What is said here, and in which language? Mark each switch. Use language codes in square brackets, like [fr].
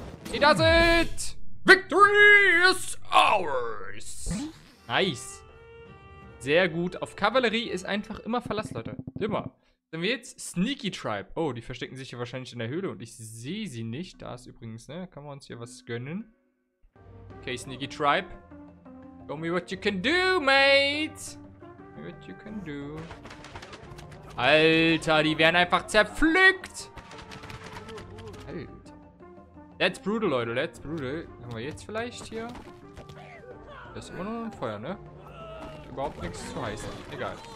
[en] He does it! Victory is ours! Nice. [de] Sehr gut. Auf Kavallerie ist einfach immer Verlass, Leute. Immer. Dann haben wir jetzt Sneaky Tribe. Oh, die verstecken sich hier wahrscheinlich in der Höhle und ich sehe sie nicht. Da ist übrigens, ne? Können wir uns hier was gönnen? Okay, Sneaky Tribe. [en] Show me what you can do, mate. What you can do. [de] Alter, die werden einfach zerpflückt. Alter. [en] That's brutal, [de] Leute. [en] That's brutal. [de] Haben wir jetzt vielleicht hier? Das ist immer nur ein Feuer, ne? Hat überhaupt nichts zu heißen. Egal.